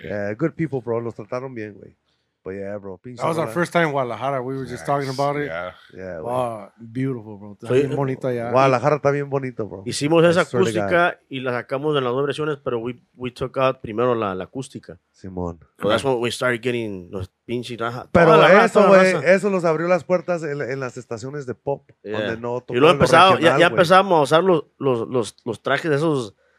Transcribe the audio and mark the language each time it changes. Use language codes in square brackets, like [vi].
[en] Yeah, good people, bro. [es] Los trataron bien, güey. [en] But yeah, bro. That was our first time in Guadalajara. We were just talking about it. Yeah. Wow, beautiful, bro. [es] Está bien bonito allá. Guadalajara está bien bonito, bro. Hicimos esa acústica y la sacamos en las dos versiones, pero [en] we took out [es] primero la acústica. Simón. [en] So that's when we started getting [es] los pinches. Pero eso, güey, eso nos abrió las puertas en las estaciones de pop. Donde y luego empezamos, ya empezamos a usar los trajes de esos...